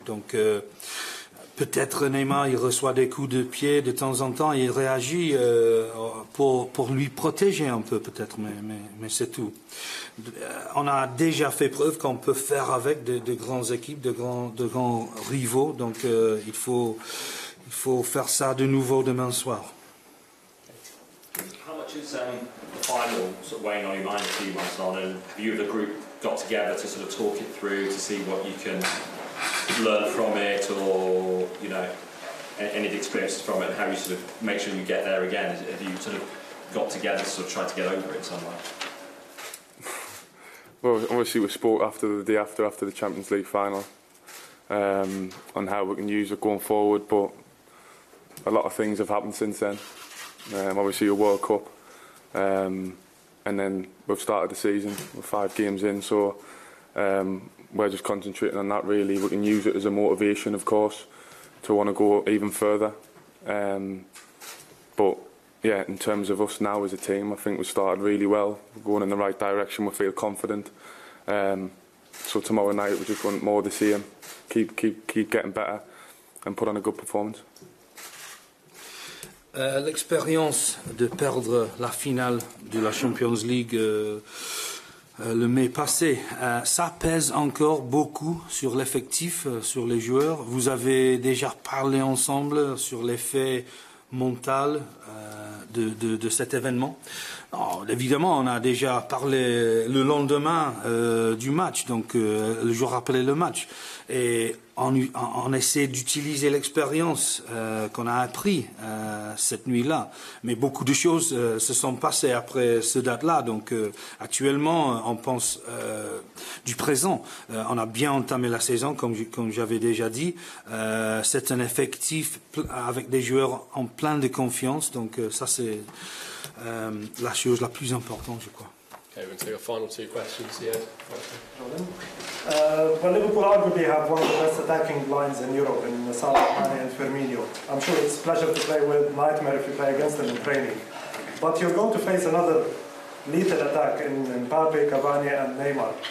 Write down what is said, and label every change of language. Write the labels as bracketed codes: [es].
[fr] Donc peut-être Neymar, il reçoit des coups de pied de temps en temps, il réagit pour lui protéger un peu peut-être, mais c'est tout. On a déjà fait preuve qu'on peut faire avec de grandes équipes, de grands rivaux, donc il faut faire ça de nouveau demain soir. [en] How much is the final sort of weighing on your mind a few months on, and have you and the group got together to sort of talk it through to see what you can learn from it, or you know, any of the experiences from it, and how you sort of make sure you get there again? Have you sort of got together to sort of try to get over it somewhere? Well, obviously we spoke after the day after the Champions League final on how we can use it going forward, but a lot of things have happened since then. Obviously a World Cup, and then we've started the season, we're five games in, so we're just concentrating on that really. We can use it as a motivation, of course, to want to go even further. But yeah, in terms of us now as a team, I think we've started really well. We're going in the right direction, we feel confident. So tomorrow night we just want more of the same. Keep getting better and put on a good performance. [fr] L'expérience de perdre la finale de la Champions League le mai passé, ça pèse encore beaucoup sur l'effectif, sur les joueurs. Vous avez déjà parlé ensemble sur l'effet mental de cet événement. Alors, évidemment, on a déjà parlé le lendemain du match, donc le jour après le match. Et on essaie d'utiliser l'expérience qu'on a appris cette nuit-là. Mais beaucoup de choses se sont passées après ce date-là. Donc actuellement, on pense du présent. On a bien entamé la saison, comme j'avais déjà dit. C'est un effectif avec des joueurs en plein de confiance. Donc ça, c'est la chose la plus importante, je crois. [en] Okay, we're going to take our final two questions here. Well, Liverpool arguably have one of the best attacking lines in Europe in Salah, Mane and Firmino. I'm sure it's a pleasure to play with, nightmare if you play against them in training. But you're going to face another lethal attack in Mbappe, Cavani and Neymar.